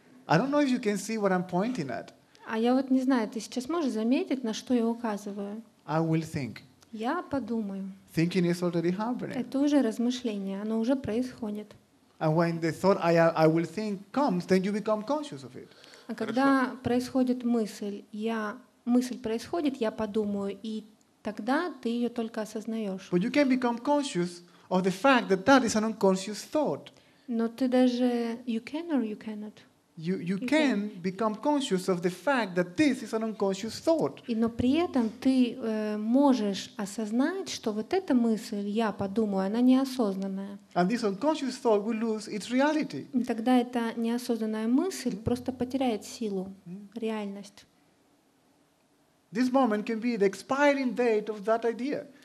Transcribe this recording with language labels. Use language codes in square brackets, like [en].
[en] I don't know if you can see what I'm pointing at. [ru] А я вот не знаю, ты сейчас можешь заметить, на что я указываю? [en] I will think. [ru] Я подумаю. [en] Thinking is already happening. [ru] Это уже размышление, оно уже происходит. [en] And when the thought I will think comes, then you become conscious of it. [ru] А когда Хорошо. Происходит мысль, я подумаю, и тогда ты ее только осознаешь. [en] But you can become conscious of the fact that that is an unconscious thought. [ru] Но ты даже [en] you can or you cannot. You can become conscious of the fact that this is an unconscious thought. [ru] И но при этом ты можешь осознать, что вот эта мысль, я подумаю, она неосознанная. [en] And this unconscious thought will lose its reality. [ru] И тогда эта неосознанная мысль просто потеряет силу, реальность. [en] This moment can be the expiring date of that idea.